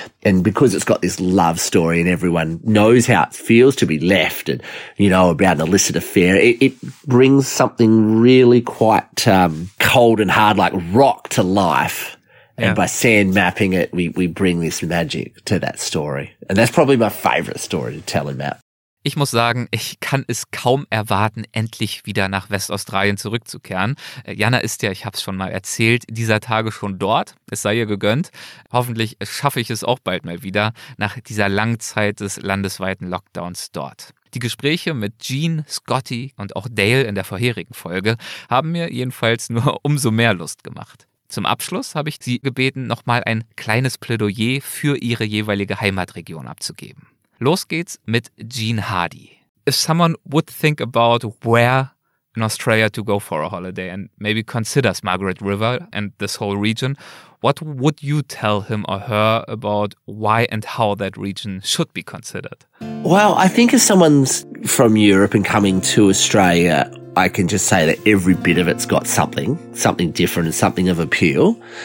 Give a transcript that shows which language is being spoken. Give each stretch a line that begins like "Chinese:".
English: And because it's got this love story and everyone knows how it feels to be left and, you know, about an illicit affair, it brings something really quite cold and hard, like rock, to life. Yeah. And by sand mapping it, we bring this magic to that story. And that's probably my favorite story to tell in that.
German: Ich muss sagen, ich kann es kaum erwarten, endlich wieder nach Westaustralien zurückzukehren. Jana ist ja, ich habe es schon mal erzählt, dieser Tage schon dort. Es sei ihr gegönnt. Hoffentlich schaffe ich es auch bald mal wieder, nach dieser langen Zeit des landesweiten Lockdowns dort. Die Gespräche mit Jean, Scotty und auch Dale in der vorherigen Folge haben mir jedenfalls nur umso mehr Lust gemacht. Zum Abschluss habe ich sie gebeten, nochmal ein kleines Plädoyer für ihre jeweilige Heimatregion abzugeben. Los geht's mit Jean Hardy.
English: If someone would think about where in Australia to go for a holiday and maybe considers Margaret River and this whole region, what would you tell him or her about why and how that region should be considered? Well, I think if someone's from Europe and coming to Australia, I can just say that every bit of it's got something different and something of appeal.